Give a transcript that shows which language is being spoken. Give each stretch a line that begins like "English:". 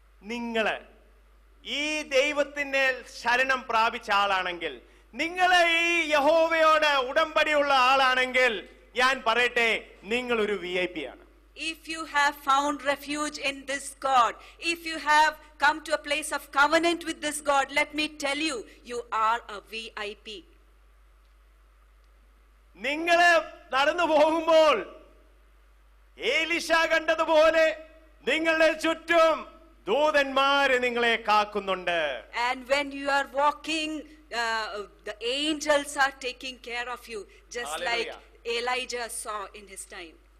Malayalam: നിങ്ങൾ ഈ ദൈവത്തിന്റെ ശരണം പ്രാപിച്ച ആളാണെങ്കിൽ, നിങ്ങൾ ഈ യഹോവയോട് ഉടമ്പടിയുള്ള ആളാണെങ്കിൽ, ഞാൻ പറയട്ടെ, നിങ്ങൾ ഒരു VIP ആണ്.
English: If you have found refuge in this God, if you have come to a place of covenant with this God, let me tell you, you are a VIP.
Malayalam: നിങ്ങൾ നടന്നു പോകുമ്പോൾ ഏലീഷ കണ്ടതുപോലെ നിങ്ങളുടെ ചുറ്റും ദൂതന്മാരെ നിങ്ങളെ കാക്കുന്നുണ്ട്.
English: And when you are walking, the angels are taking care of you, just like Elijah saw in his time.